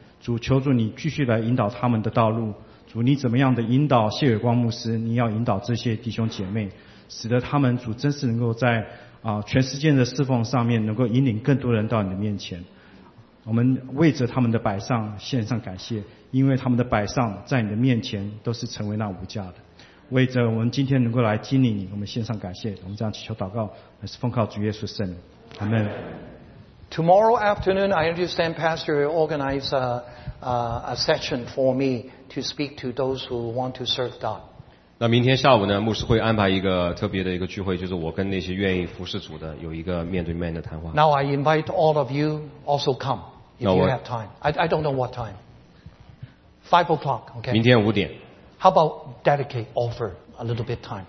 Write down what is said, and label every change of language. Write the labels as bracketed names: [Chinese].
[Chinese] 主，求主你继续来引导他们的道路。主，你怎么样的引导谢伟光牧师，你要引导这些弟兄姐妹，使得他们主真是能够在全时间的侍奉上面能够引领更多人到你的面前。我们为着他们的摆上献上感谢，因为他们的摆上在你的面前都是成为那无价的。为着我们今天能够来经历你，我们献上感谢。我们这样祈求祷告，乃是奉靠主耶稣圣名。 [English] Amen. Tomorrow afternoon, I understand Pastor will organize a session for me to speak to those who want to serve God. [Chinese] 那明天下午呢，牧师会安排一个特别的一个聚会，就是我跟那些愿意服侍主的有一个面对面的谈话。 [English] Now I invite all of you also come if you have time. I don't know what time. 5 o'clock. Okay. [Chinese] 明天五点。 [English] How about dedicate offer a little bit time?